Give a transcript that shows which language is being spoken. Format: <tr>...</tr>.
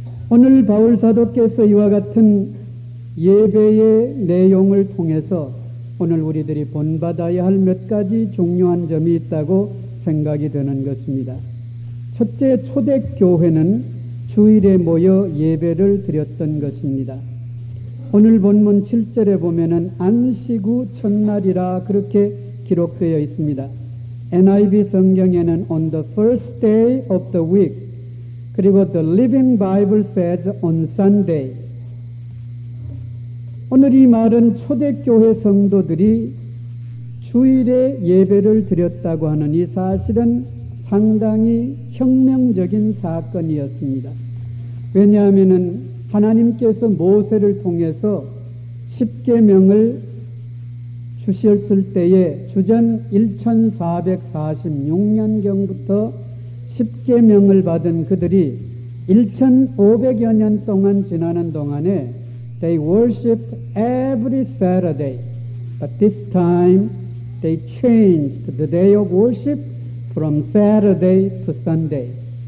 <ko>오늘 바울사도께서 이와 같은 예배의 내용을 통해서 오늘 우리들이 본받아야 할 몇 가지 중요한 점이 있다고 생각이 되는 것입니다. 첫째, 초대교회는 주일에 모여 예배를 드렸던 것입니다. 오늘 본문 7절에 보면은 안식 후 첫날이라 그렇게 기록되어 있습니다.</ko> <en>NIV</en> <ko>성경에는</ko> <en>on the first day of the week,</en> <ko>그리고</ko> <en>the Living Bible says on Sunday.</en> <ko>오늘 이 말은 초대교회 성도들이 주일에 예배를 드렸다고 하는 이 사실은 상당히 혁명적인 사건이었습니다. 왜냐하면 하나님께서 모세를 통해서 십계명을 주셨을 때에 주전 1446년경부터 십계명을 받은 그들이 1500여 년 동안 지나는 동안에</ko> <en>they worshipped every Saturday, but this time they changed the day of worship from Saturday to Sunday.</en>